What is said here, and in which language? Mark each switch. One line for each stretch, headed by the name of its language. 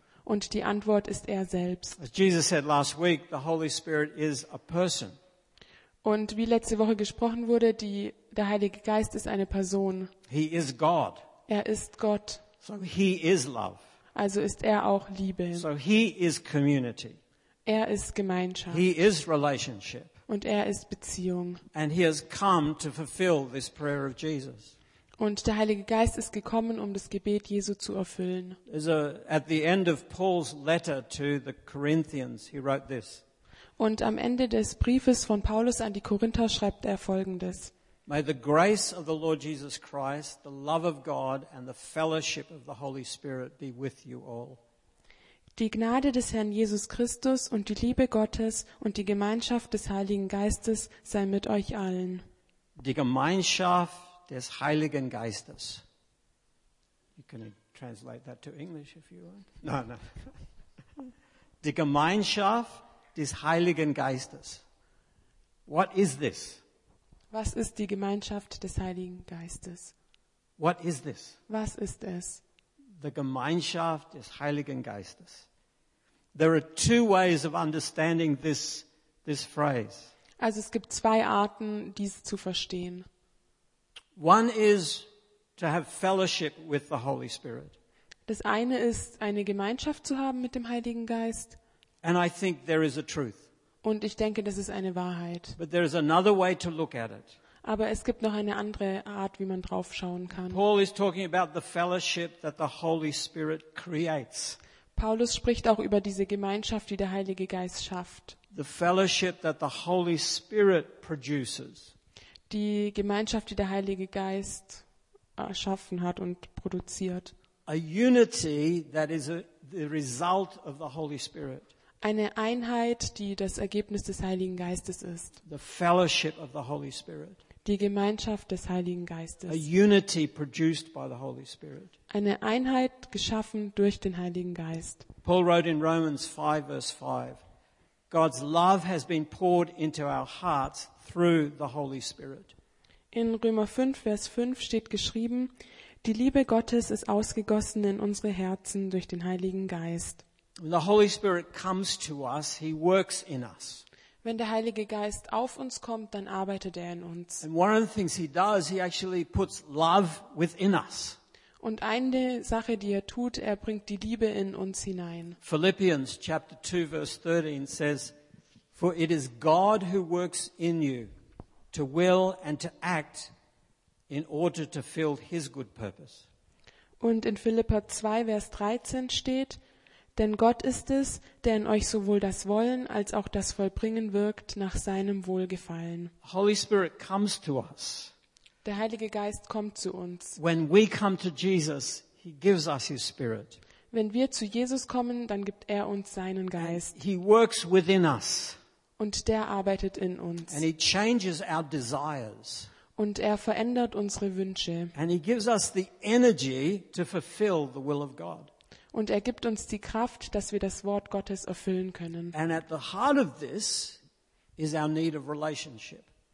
German: Und die Antwort ist er selbst.
English: As Jesus said last week, the Holy Spirit is a person.
German: Und wie letzte Woche gesprochen wurde, der Heilige Geist ist eine Person.
English: He is God.
German: Er ist Gott.
English: So he is love.
German: Also ist er auch Liebe.
English: So he is community.
German: Er ist Gemeinschaft.
English: He is relationship.
German: Und er ist Beziehung.
English: And he has come to fulfill this prayer of Jesus.
German: Und der Heilige Geist ist gekommen, um das Gebet Jesu zu erfüllen.
English: At the end of Paul's letter to the Corinthians, he wrote this.
German: Und am Ende des Briefes von Paulus an die Korinther schreibt er Folgendes.
English: May the grace of the Lord Jesus Christ, the love of God and the fellowship of the Holy Spirit be with you all.
German: Die Gnade des Herrn Jesus Christus und die Liebe Gottes und die Gemeinschaft des Heiligen Geistes sei mit euch allen. Die Gemeinschaft des Heiligen Geistes.
English: You can translate that to English if you want. No.
German: Die Gemeinschaft des Heiligen Geistes.
English: What is this?
German: Was ist die Gemeinschaft des Heiligen Geistes?
English: What is this?
German: Was ist es?
English: The
German: Gemeinschaft des Heiligen Geistes.
English: There are two ways of understanding this phrase.
German: Also es gibt zwei Arten, dies zu verstehen.
English: One is to have fellowship with the Holy Spirit.
German: Das eine ist, eine Gemeinschaft zu haben mit dem Heiligen Geist.
English: And I think there is a truth.
German: Und ich denke, das ist eine Wahrheit.
English: But there is another way to look at it.
German: Aber es gibt noch eine andere Art, wie man drauf schauen kann.
English: Paul is talking about the fellowship that the Holy Spirit creates.
German: Paulus spricht auch über diese Gemeinschaft, die der Heilige Geist schafft.
English: The fellowship that the Holy Spirit produces.
German: Die Gemeinschaft, die der Heilige Geist erschaffen hat und produziert.
English: A unity that is the result of the Holy Spirit.
German: Eine Einheit, die das Ergebnis des Heiligen Geistes ist.
English: The fellowship of the Holy Spirit.
German: Die Gemeinschaft des Heiligen Geistes.
English: A unity produced by the Holy Spirit.
German: Eine Einheit geschaffen durch den Heiligen Geist.
English: Paul wrote in Romans 5, verse 5, God's love has been poured into our hearts through the Holy Spirit.
German: In Römer 5, Vers 5 steht geschrieben, die Liebe Gottes ist ausgegossen in unsere Herzen durch den Heiligen Geist.
English: When the Holy Spirit comes to us, he works in us.
German: Wenn der Heilige Geist auf uns kommt, dann arbeitet er in uns.
English: And one of the things he does, he actually puts love within us.
German: Und eine Sache, die er tut, er bringt die Liebe in uns hinein.
English: Philippians chapter 2 verse 13 says, for it is God who works in you to will and to act in order to fill his good purpose.
German: Und in Philipper 2 Vers 13 steht, denn Gott ist es, der in euch sowohl das Wollen als auch das Vollbringen wirkt nach seinem Wohlgefallen.
English: Holy Spirit comes to us.
German: Der Heilige Geist kommt zu uns.
English: When we come to Jesus, he gives us his Spirit.
German: Wenn wir zu Jesus kommen, dann gibt er uns seinen Geist.
English: And he works within us.
German: Und der arbeitet in uns.
English: And he changes our desires.
German: Und er verändert unsere Wünsche.
English: And he gives us the energy to fulfill the will of God.
German: Und er gibt uns die Kraft, dass wir das Wort Gottes erfüllen können.
English: And at the heart of this is our need of relationship.